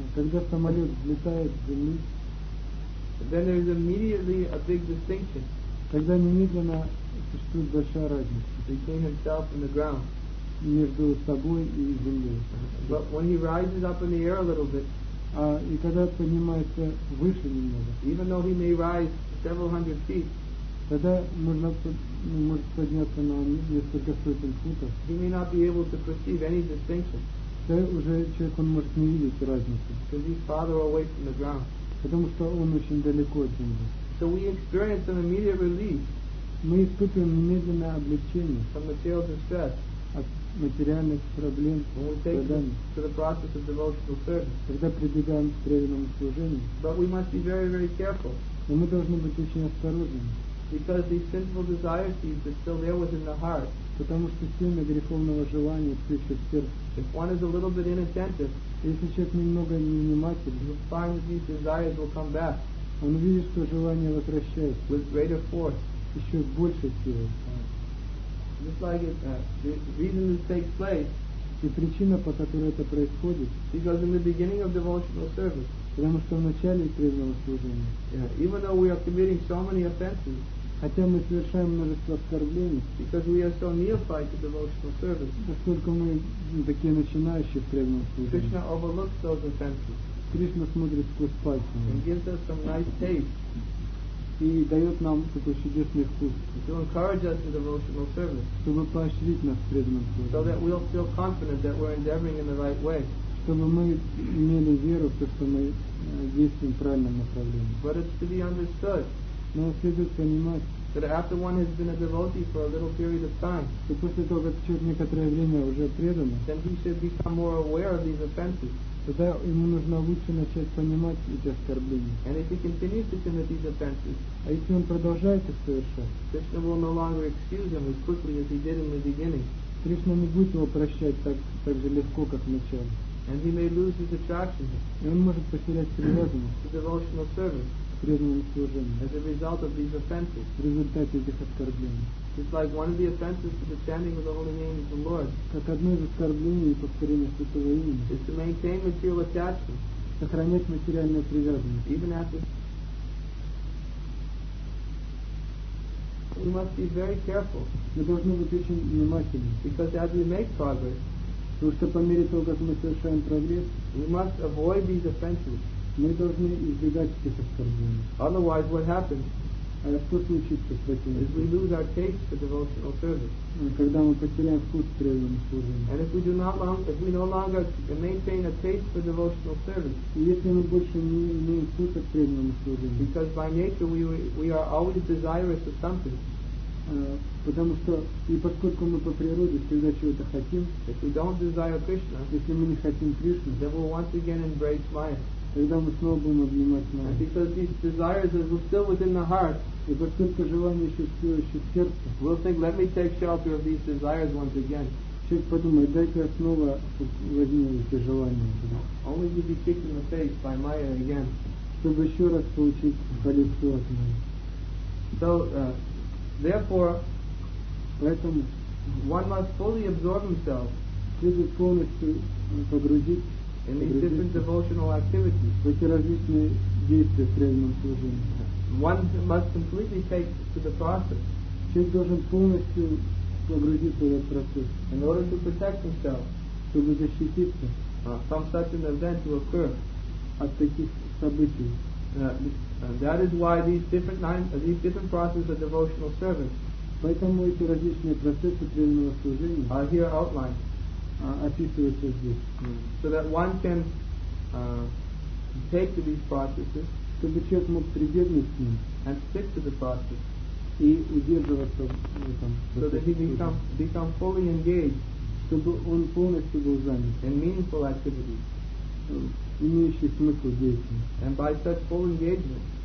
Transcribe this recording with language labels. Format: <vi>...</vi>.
<ru>Когда самолет взлетает с земли,</ru> <en>then there is immediately a big distinction.</en> <ru>Тогда немедленно существует большая разница.</ru> <en>Between himself and the ground.</en> <ru>Между собой и землей.</ru> <en>But when he rises up in the air a little bit,</en> <ru>и когда поднимается выше немного,</ru> <en>even though he may rise several hundred feet,</en> <ru>тогда может подняться на несколько сотен футов,</ru> <en>he may not be able to perceive any distinction.</en> <ru>Это уже человек, он может не видеть разницы.</ru> <en>Because he's farther away from the ground.</en> <ru>Потому что он очень далеко от земли.</ru> <en>So we experience an immediate relief.</en> <ru>Мы испытываем немедленное облегчение.</ru> <en>From material distress.</en> <ru>От материальных проблем.</ru> <en>When we take to the process of devotional service.</en> <ru>Когда прибегаем к преданному служению.</ru> <en>But we must be very, very careful.</en> <ru>Но мы должны быть очень осторожными.</ru> <en>Because these sinful desire seeds are still there within the heart.</en> <ru>Потому что семя греховного желания все еще в сердце.</ru> <en>If one is a little bit inattentive,</en> <ru>если человек немного невнимателен,</ru> <en>he'll find that these desires will come back.</en> <ru>Он увидит, что желание возвращается.</ru> <en>With greater force.</en> <ru>Еще с большей силой.</ru> <en>Just like it, the reason this takes place.</en> <ru>И причина, по которой это происходит.</ru> <en>Because in the beginning of devotional service.</en> <ru>Потому что в начале преданного служения.</ru> <en>Yeah. Even though we are committing so many offenses.</en> <ru>Хотя мы совершаем множество оскорблений.</ru> <en>Because we are so neophyte to devotional service.</en> <ru>Поскольку мы такие начинающие в преданном служении.</ru> <en>Krishna overlooks those offenses.</en> <ru>Кришна смотрит сквозь пальцы.</ru> <en>And gives us some nice taste.</en> <ru>И дает нам такой чудесный вкус.</ru> <en>To encourage us to devotional service.</en> <ru>Чтобы поощрить нас в преданном служении.</ru> <en>So that we'll feel confident that we're endeavoring in the right way.</en> <ru>Чтобы мы имели веру, что мы действуем в правильном направлении.</ru> <en>But it's to be understood.</en> <ru>Но следует понимать,</ru> <en>that after one has been a devotee for a little period of time,</en> <ru>что после того, как человек некоторое время уже предан,</ru> <en>then he should become more aware of these offenses.</en> <ru>Тогда ему нужно лучше начать понимать эти оскорбления.</ru> <en>And if he continues to commit these offenses,</en> <ru>а если он продолжает их совершать,</ru> <en>Krishna will no longer excuse him as quickly as he did in the beginning.</en> <ru>Кришна не будет его прощать так же легко, как в начале.</ru> <en>And he may lose his attraction.</en> <ru>И он может потерять привязанность</ru> <en>to devotional service. As a result of these offenses.</en> <ru>В результате этих оскорблений.</ru> <en>Just like one of the offenses to the chanting of the holy name of the Lord.</en> <ru>Как одно из оскорблений и повторения святого имени.</ru> <en>Is to maintain material attachment.</en> <ru>Сохранять материальную привязанность.</ru> <en>Even after. We must be very careful.</en> <ru>Мы должны быть очень внимательны.</ru> <en>Because as we make progress.</en> <ru>Потому что по мере того, как мы совершаем прогресс.</ru> <en>We must avoid these offenses.</en> <ru>Мы должны избегать этих оскорблений.</ru> <en>Otherwise, what happens?</en> <ru>А что случится с этим?</ru> <en>Is we lose our taste for devotional service.</en> <ru>Когда мы потеряем вкус к преданному служению.</ru> <en>And if we do not long, if we no longer maintain a taste for devotional service.</en> <ru>И если мы больше не имеем вкуса к преданному служению.</ru> <en>Because by nature we are always desirous of something.</en> <ru>Потому что и поскольку мы по природе всегда чего-то хотим.</ru> <en>If we don't desire Krishna.</en> <ru>Если мы не хотим Кришну.</ru> <en>Then we'll once again embrace Maya.</en> <ru>Тогда мы снова будем обнимать Майю.</ru> <en>And because these desires are still within the heart,</en> <ru>и поскольку желание еще все еще в сердце,</ru> <en>we'll think, let me take shelter of these desires once again.</en> <ru>Человек подумает, дайте я снова возьму эти желания.</ru> <en>Only to be kicked in the face by Maya again.</en> <ru>Чтобы еще раз получить по лицу от Майи.</ru> <en>So, therefore,</en> <ru>поэтому,</ru> <en>one must fully absorb himself.</en> <ru>Следует полностью погрузить.</ru> <en>In these different devotional activities.</en> <ru>В эти различные действия в преданном служении.</ru> <en>One must completely take to the process.</en> <ru>Человек должен полностью погрузиться в этот процесс.</ru> <en>In order to protect himself.</en> <ru>Чтобы защититься.</ru> <en>From such an event to occur.</en> <ru>От таких событий.</ru> <en>That is why these different processes of devotional service.</en> <ru>Поэтому эти различные процессы преданного служения.</ru> <en>Are here outlined.</en> <ru>Описывается здесь. Mm-hmm.</ru> <en>So that one can take to these processes,</en> <ru>чтобы человек мог прибегнуть к ним,</ru> <en>and stick to the process,</en> <ru>и удерживаться в этом.</ru> <en>So that he become fully engaged,</en> <ru>чтобы он полностью был занят,</ru> <en>in meaningful activity,</en> <ru>имеющий смысл деятельности.</ru> <en>And by such full engagement,</en>